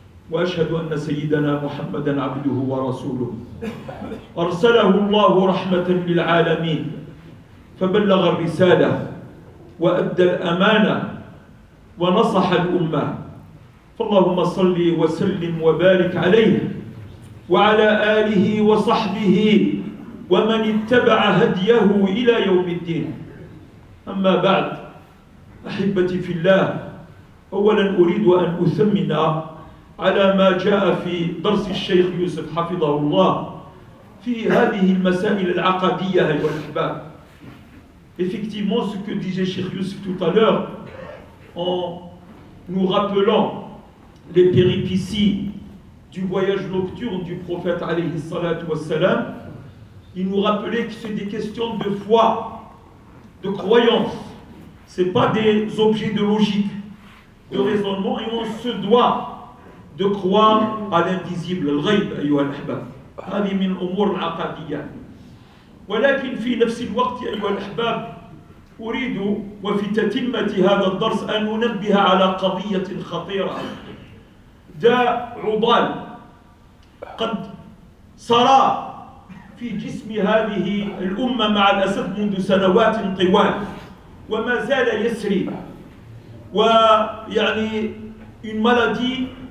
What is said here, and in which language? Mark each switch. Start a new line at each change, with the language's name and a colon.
Arabic: وأشهد أن سيدنا محمدًا عبده ورسوله أرسله الله رحمة للعالمين، فبلغ الرسالة وأدى الأمانة ونصح الأمة، فاللهم صلِّ وسلِّم وبارِك عليه وعلى آله وصحبه ومن اتبع هديه إلى يوم الدين. أما بعد، أحبتي في الله، أولاً أريد أن أثمن على ما جاء في درس الشيخ يوسف حفظه الله في هذه المسائل العقدية. أيها الأحباب،
French: effectivement ce que disait Cheikh Youssef tout à l'heure en nous rappelant les péripéties du voyage nocturne du prophète alayhi salatu wassalam, il nous rappelait que c'est des questions de foi, de croyance, c'est pas des objets de logique, de raisonnement, et on se doit de croire à l'invisible, le ghaib,
Arabic: ayyuha al-ahbab. هذه من الامور العقديه. ولكن في نفس الوقت ايها الاحباب اريد وفي تتمه هذا الدرس ان ننبه على قضيه خطيره. داء عضال قد سرى في جسم هذه الأمة مع الأسف منذ سنوات طوال، وما زال يسري، ويعني
French: une maladie